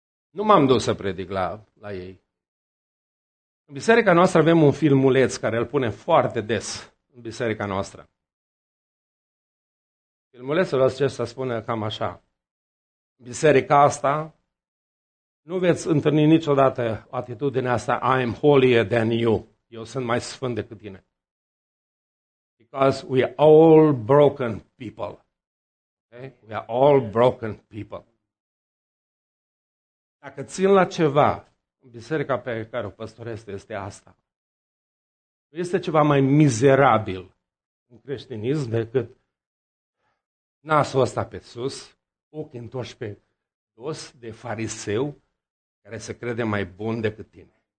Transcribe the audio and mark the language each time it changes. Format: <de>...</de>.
<ro>Nu m-am dus să predic la ei. În biserica noastră avem un filmuleț care îl pune foarte des în biserica noastră. Filmulețul acesta spune cam așa. Biserica asta, nu veți întâlni niciodată atitudinea asta,</ro> <en>I am holier than you.</en> <ro>Eu sunt mai sfânt decât tine.</ro> <en>Because we are all broken people. Okay? We are all broken people.</en> <ro>Dacă țin la ceva, biserica pe care o păstoresc este asta. Nu este ceva mai mizerabil în creștinism decât nasul ăsta pe sus, ochii întorși pe dos de fariseu care se crede mai bun decât tine.</ro>